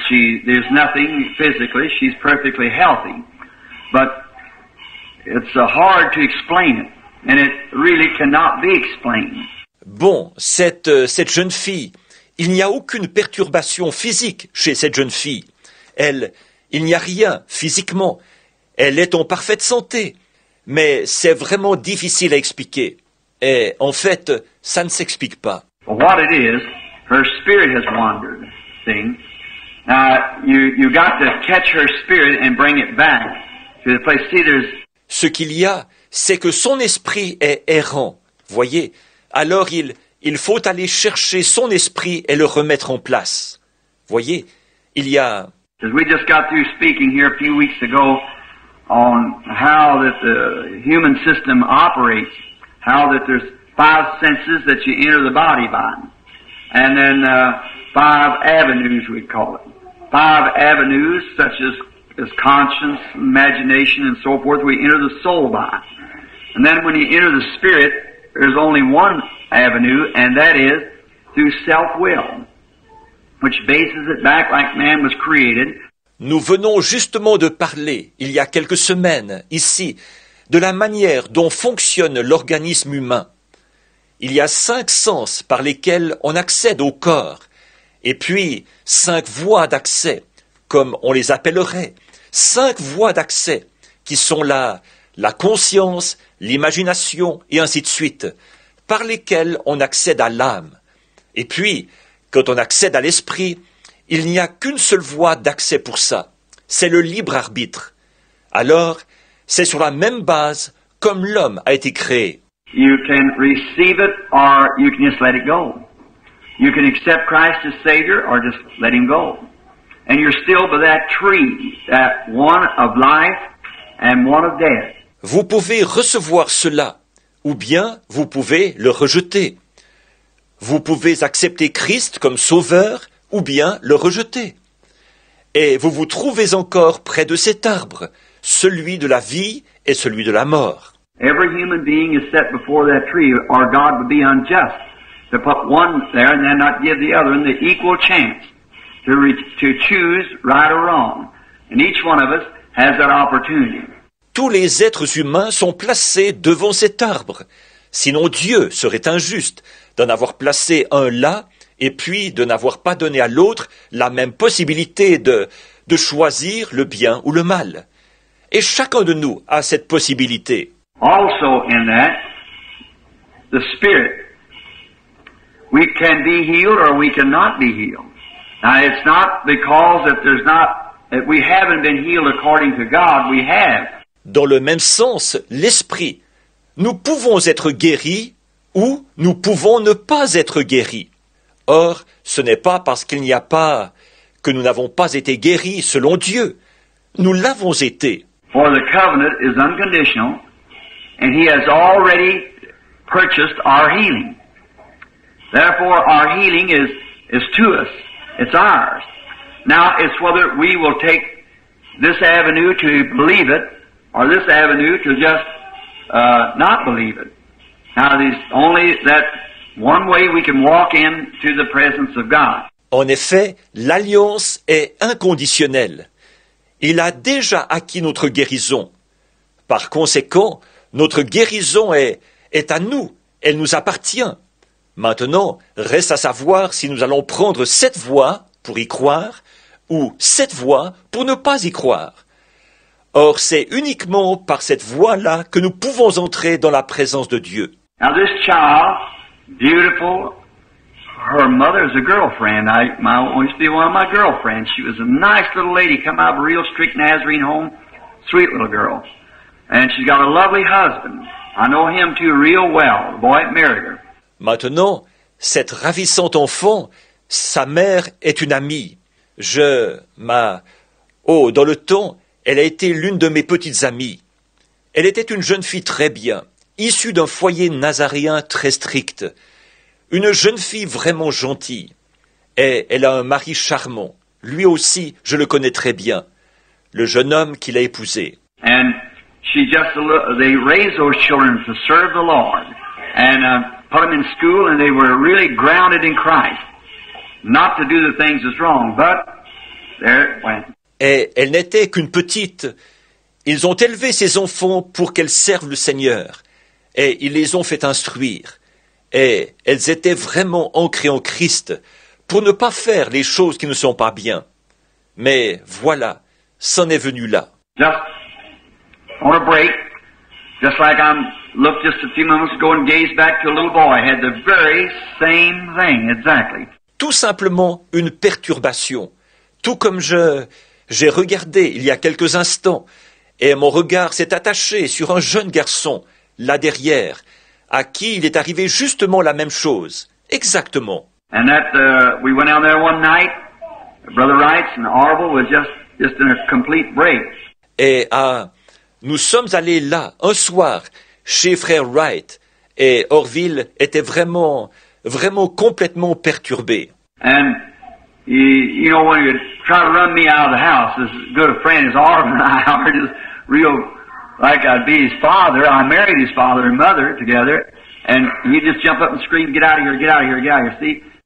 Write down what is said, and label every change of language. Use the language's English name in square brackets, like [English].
[English] There's nothing physically, she's perfectly healthy. But it's hard to explain it, and it really cannot be explained. [French] Bon, cette jeune fille, il n'y a aucune perturbation physique chez cette jeune fille. Elle, il n'y a rien physiquement. Elle est en parfaite santé. Mais c'est vraiment difficile à expliquer. Et en fait, ça ne s'explique pas. [English] What it is, her spirit has wandered. Thing. You got to catch her spirit and bring it back to the place. See, there's... [French] Ce qu'il y a, c'est que son esprit est errant. Voyez, alors il faut aller chercher son esprit et le remettre en place. Voyez, il y a... [English] As we just got through speaking here a few weeks ago on how that the human system operates, how that there's five senses that you enter the body by, and then five avenues, we call it. Five avenues, such as conscience, imagination, and so forth, we enter the soul by. And then when you enter the spirit, there's only one avenue, and that is through self-will, which bases it back like man was created. [French] Nous venons justement de parler, il y a quelques semaines, ici, de la manière dont fonctionne l'organisme humain. Il y a cinq sens par lesquels on accède au corps, et puis cinq voies d'accès, comme on les appellerait, cinq voies d'accès, qui sont la conscience, l'imagination, et ainsi de suite, par lesquels on accède à l'âme. Et puis, quand on accède à l'esprit, il n'y a qu'une seule voie d'accès pour ça. C'est le libre arbitre. Alors, c'est sur la même base comme l'homme a été créé. [English] You can receive it or you can just let it go. You can accept Christ as Savior or just let him go. And you're still by that tree, that one of life and one of death. [French] Vous pouvez recevoir cela, ou bien vous pouvez le rejeter. Vous pouvez accepter Christ comme sauveur, ou bien le rejeter. Et vous vous trouvez encore près de cet arbre, celui de la vie et celui de la mort. [English] Every human being is set before that tree, or God would be unjust to put one there and then not give the other the equal chance to choose right or wrong. And each one of us has that opportunity. [French] Tous les êtres humains sont placés devant cet arbre. Sinon Dieu serait injuste d'en avoir placé un là et puis de n'avoir pas donné à l'autre la même possibilité de choisir le bien ou le mal. Et chacun de nous a cette possibilité. [English] Also in that, the spirit. We can be healed or we cannot be healed. Now it's not because that there's not, that we haven't been healed according to God, we have. [French] Dans le même sens, l'esprit. Nous pouvons être guéris ou nous pouvons ne pas être guéris. Or, ce n'est pas parce qu'il n'y a pas que nous n'avons pas été guéris selon Dieu. Nous l'avons été. [English] For the covenant is unconditional and he has already purchased our healing. Therefore, our healing is to us. It's ours. Now, it's whether we will take this avenue to believe it or this avenue to just not believe it. Now, there's only that one way we can walk into the presence of God. [French] En effet, l'alliance est inconditionnelle. Il a déjà acquis notre guérison. Par conséquent, notre guérison est à nous, elle nous appartient. Maintenant, reste à savoir si nous allons prendre cette voie pour y croire ou cette voie pour ne pas y croire. Or, c'est uniquement par cette voie-là que nous pouvons entrer dans la présence de Dieu. [English] Now this child, beautiful, her mother is a girlfriend. I used to be one of my girlfriends. She was a nice little lady, come out of a real strict Nazarene home, sweet little girl. And she's got a lovely husband. I know him too real well. The boy married her. [French] Maintenant, cette ravissante enfant, sa mère est une amie. Dans le temps, elle a été l'une de mes petites amies. Elle était une jeune fille très bien, issue d'un foyer nazaréen très strict. Une jeune fille vraiment gentille. Et elle a un mari charmant. Lui aussi, je le connais très bien. Le jeune homme qui l'a épousé. [English] And she just they raised those children to serve the Lord and put them in school and they were really grounded in Christ. Not to do the things that's wrong, but there it went. [French] Et elle n'était qu'une petite. Ils ont élevé ses enfants pour qu'elles servent le Seigneur. Et ils les ont fait instruire. Et elles étaient vraiment ancrées en Christ pour ne pas faire les choses qui ne sont pas bien. Mais voilà, c'en est venu là. [English] Just on a break, just like I looked just a few moments ago and gazed back to a little boy, I had the very same thing, exactly. [French] Tout simplement une perturbation. Tout comme j'ai regardé il y a quelques instants, et mon regard s'est attaché sur un jeune garçon, là derrière, à qui il est arrivé justement la même chose, exactement. [English] And that, we went out there one night, Brother Wright's and Orville was just in a complete break. [French] Et nous sommes allés là, un soir, chez Frère Wright, et Orville était vraiment, vraiment complètement perturbé. [English] And you know, when you try to run me out of the house, as good a friend as Orville and I are, just real, like I'd be his father, I married his father and mother together, and he'd just jump up and scream, get out of here, get out of here, get out of here, see?